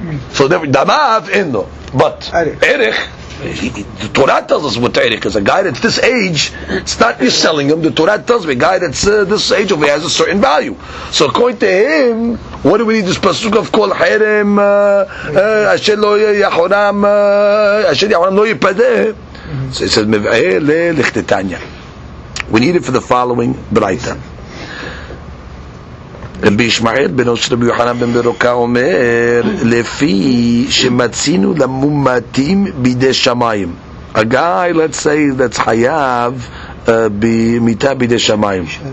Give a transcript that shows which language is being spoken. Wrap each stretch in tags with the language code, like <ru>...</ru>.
<en>So damav enlo, but erech. The Torah tells us what Erech is. A guy that's this age, it's not you selling him. The Torah tells me a guy that's this age over has a certain value. So according to him, what do we need this pasuk of</en> <he>Kol Harem Asher Yahoram Lo Yipadeh?</he> <en>So he says</en> <arc>Mev'ele Lichtetanya.</arc> <en>We need it for the following Braita.</en> <he>רבי ישמעאל בן עוצר רבי יוחנן בן ברוקה אומר לפי שמצינו למומתים בידי שמיים.</he> <en>A guy, let's say, that's</en> <he>חייב במיטה בידי שמיים.</he>